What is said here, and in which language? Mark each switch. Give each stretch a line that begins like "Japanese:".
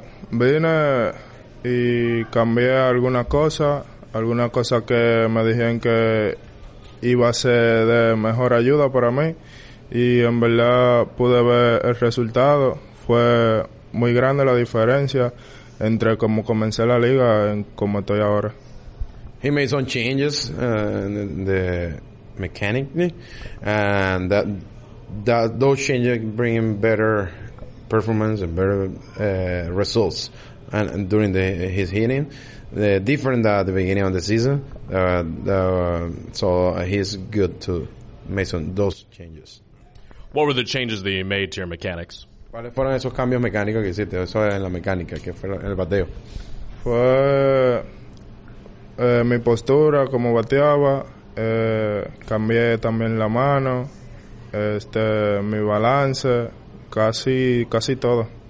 Spanish: Vine y cambié algunas cosas que me dijeron que iba a ser de mejor ayuda para mí, y en verdad pude ver el resultado. Fue muy grande la diferencia entre cómo comencé la liga y cómo estoy ahora.
English: He made some changes in the mechanically, and those changes bring him better performance and better results and during his hitting. They're different at the beginning of the season, so he's good to make some those changes. What were the changes that you made to your mechanics?
Spanish: ¿Cuáles fueron esos cambios mecánicos que hiciste? Eso es en la mecánica, que fue el bateo. Fue mi postura, como bateaba. Cambié también la mano, mi balance, casi todo.